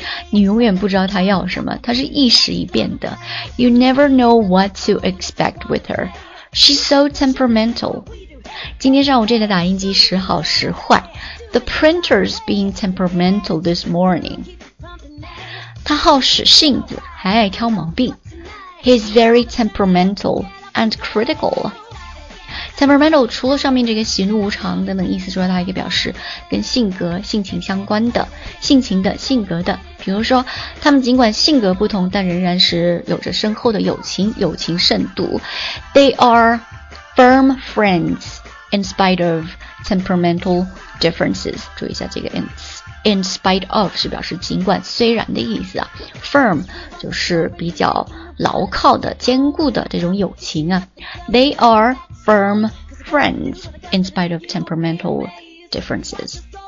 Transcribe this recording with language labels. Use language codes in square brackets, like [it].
[zh] 你永远不知道它要什么，它是一时一变的。 [en] You never know what to expect with herShe's so temperamental. [zh] 今天上午这台打印机时好时坏。 [en] The printer's being temperamental this morning. [zh] 他好使性子，还爱挑毛病。 [en] He's very temperamental and critical. [zh] Temperamental 除了上面这个喜怒无常等等意思之外，它还可以表示跟性格、性情相关的，性情的，性格的。比如说他们尽管性格不同，但仍然是有着深厚的友情，友情甚笃。 [en] They are firm friends in spite of temperamental differences， [zh] 注意一下这个 in spite of 是表示尽管虽然的意思啊。 firm 就是比较牢靠的，坚固的这种友情啊。 [en] They are firm friends in spite of temperamental differences。